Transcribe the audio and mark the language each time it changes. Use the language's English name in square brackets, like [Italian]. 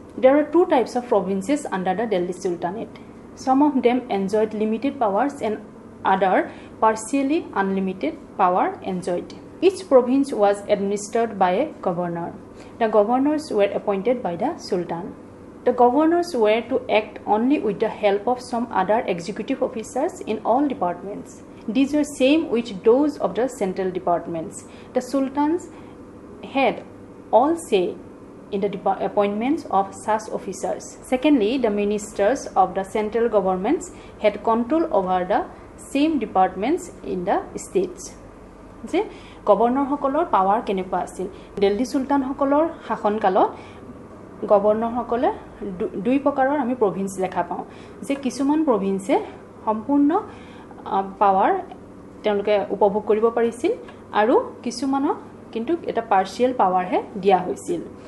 [English] There are two types of provinces under the Delhi sultanate. Some of them enjoyed limited powers and other partially unlimited power enjoyed. Each province was administered by a governor. The governors were appointed by the sultan. The governors were to act only with the help of some other executive officers in all departments. These were same with those of the central departments. The sultans had all say in the appointments of such officers. Secondly, the ministers of the central governments had control over the same departments in the states. [Assamese] যে governor সকলৰ power কেনেকুৱা আছিল দিল্লী সুলতান সকলৰ শাসনকালত governor সকলে দুই প্ৰকাৰৰ আমি প্ৰভিন্স লেখা পাওঁ যে কিছুমান প্ৰভিন্সে সম্পূৰ্ণ পাৱাৰ তেওঁলোকে উপভোগ কৰিব পাৰিছিল আৰু কিছুমান কিন্তু এটা পাৰ্শিয়েল পাৱাৰহে দিয়া হৈছিল